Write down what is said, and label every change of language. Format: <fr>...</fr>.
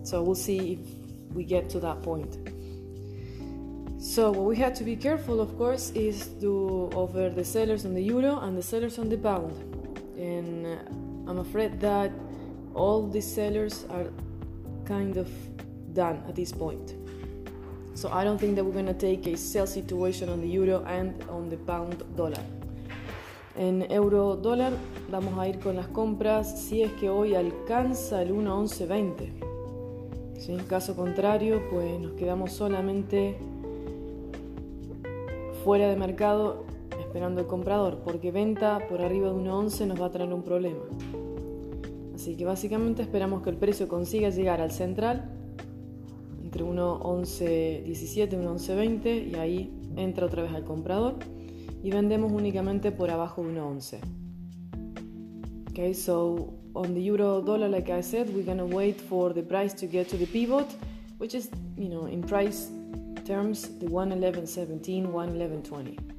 <en>So we'll see if we get to that point. So what we have to be careful, of course, is to offer the sellers on the euro and the sellers on the pound. And I'm afraid that all the sellers are kind of done at this point. So I don't think that we're going to take a sell situation on the euro and on the pound dollar.</en> <es>En euro dólar vamos a ir con las compras si es que hoy alcanza el 1.11.20. Si en caso contrario, pues nos quedamos solamente fuera de mercado esperando el comprador, porque venta por arriba de 1.11 nos va a traer un problema. Así que básicamente esperamos que el precio consiga llegar al central entre 1.11.17 y 1.11.20 y ahí entra otra vez al comprador y vendemos únicamente por abajo de 1.11.</es> <en>Okay, so on the euro dollar, like I said, we're gonna wait for the price to get to the pivot, which is, you know, in price terms, the 1.11.17, 1.11.20.</en>